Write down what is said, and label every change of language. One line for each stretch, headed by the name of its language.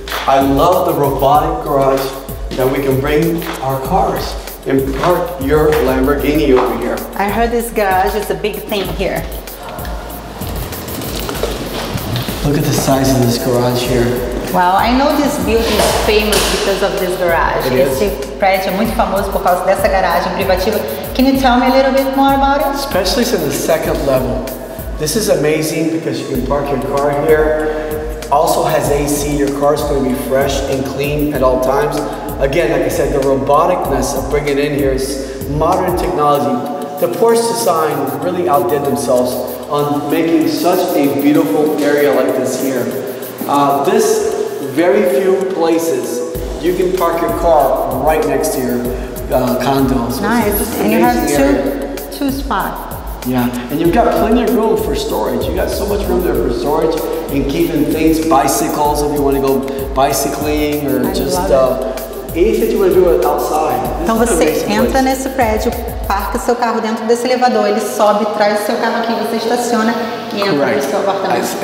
English: I love the robotic garage that we can bring our cars and park your Lamborghini over here. I heard this garage is a big thing here. Look at the size of this garage here. Well, I know this building is famous because of this garage. It is.
Portuguese: Esse prédio é muito famoso por causa dessa garagem privativa.
English: Can you tell me a little bit more about it? Especially in the second level. This is amazing because you can park your car here. also has AC. Your car is going to be fresh and clean at all times. Again, like I said, the roboticness of bringing in here is modern technology. The Porsche Design really outdid themselves on making such a beautiful area like this here. This very few places you can park your car right next to your condo. So nice. And you have two spots. Yeah, and you've got plenty of room for storage. You got so much room there for storage and keeping things, bicycles if you want to go bicycling or anything that you want to do outside.
Portuguese: Então você entra nesse prédio, parca seu carro dentro desse elevador, ele sobe, traz seu carro aqui, você estaciona e entra no seu apartamento.